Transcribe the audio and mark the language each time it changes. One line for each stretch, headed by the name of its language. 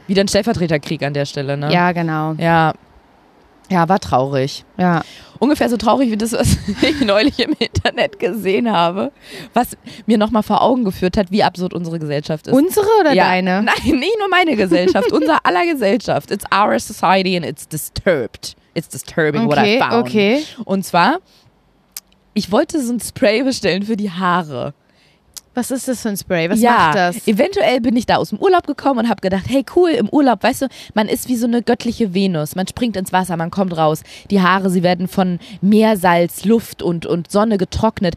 German: Wieder ein Stellvertreterkrieg an der Stelle, ne? Ja, genau. Ja. Ja, war traurig. Ja. Ungefähr so traurig wie das, was ich neulich im Internet gesehen habe. Was mir nochmal vor Augen geführt hat, wie absurd unsere Gesellschaft ist. Unsere oder ja. deine? Nein, nicht nur meine Gesellschaft. Unser aller Gesellschaft.
English: It's our society and it's disturbed. It's disturbing, okay, what I found. Okay.
German: Und zwar, ich wollte so ein Spray bestellen für die Haare. Was ist das für ein Spray? Was ja, macht das? Eventuell bin ich da aus dem Urlaub gekommen und habe gedacht, hey cool, im Urlaub, weißt du, man ist wie so eine göttliche Venus. Man springt ins Wasser, man kommt raus. Die Haare, sie werden von Meersalz, Luft und Sonne getrocknet.